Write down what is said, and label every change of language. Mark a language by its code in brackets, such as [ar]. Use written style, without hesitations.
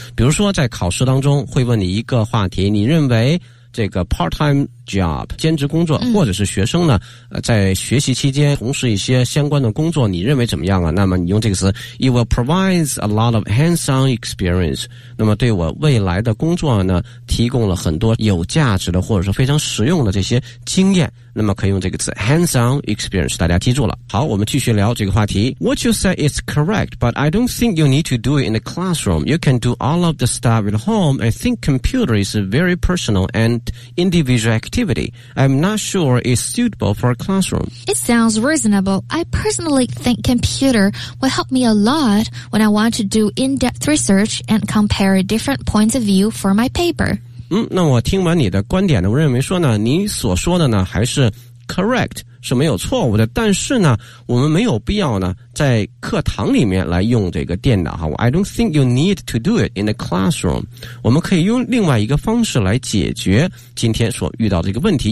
[zh] 比如说在考试当中会问你一个话题，你认为这个 part-time job 兼职工作，或者是学生呢在学习期间从事一些相关的工作，你认为怎么样啊？那么你用这个词 [en] it will provide a lot of hands-on experience， [zh] 那么对我未来的工作呢提供了很多有价值的或者是非常实用的这些经验，那么可以用这个词 hands-on experience， 大家记住了。好，我们继续聊这个话题。 [en] What you say is correct， but I don't think you need to do it in the classroom. You can do all of the stuff at home. I think computer is a very personal and individual activity. I'm not sure it's suitable for a classroom. It sounds reasonable. I personally think computer will help me a lot when I want to do in-depth research and compare different points of view for my paper. [zh] 嗯，那我听完你的观点呢，我认为说呢，你所说的呢还是 correct， 是没有错误的，但是呢我们没有必要呢在课堂里面来用这个电脑哈。 [en] I don't think you need to do it in the classroom， [zh] 我们可以用另外一个方式来解决今天所遇到的这个问题。